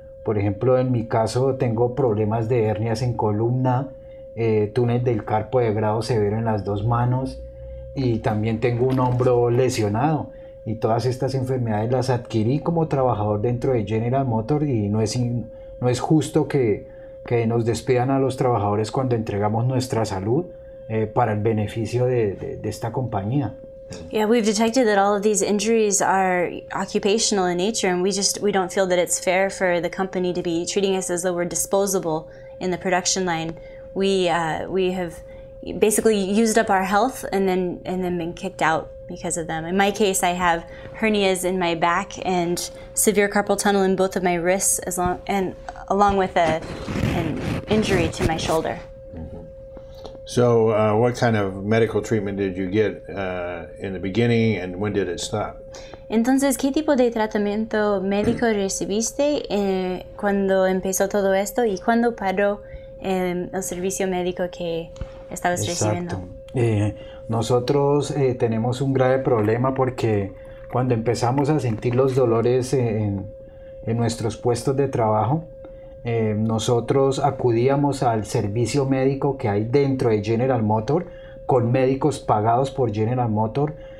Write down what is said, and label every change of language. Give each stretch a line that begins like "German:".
Spanish: Por ejemplo, en mi caso tengo problemas de hernias en columna, túnel del carpo de grado severo en las dos manos y también tengo un hombro lesionado. Y todas estas enfermedades las adquirí como trabajador dentro de General Motors y no es justo que nos despidan a los trabajadores cuando entregamos nuestra salud para el beneficio de esta compañía.
English: Yeah, we've detected that all of these injuries are occupational in nature, and we don't feel that it's fair for the company to be treating us as though we're disposable in the production line. We have basically used up our health and then been kicked out because of them. In my case, I have hernias in my back and severe carpal tunnel in both of my wrists, along with an injury to my shoulder. So what kind of medical treatment did you get in the beginning, and when did it stop?
Spanish: Entonces, ¿qué tipo de tratamiento médico recibiste cuando empezó todo esto y cuándo paró el servicio médico que estabas recibiendo? Nosotros tenemos un grave problema porque cuando empezamos a sentir los dolores en nuestros puestos de trabajo, nosotros acudíamos al servicio médico que hay dentro de General Motors con médicos pagados por General Motors.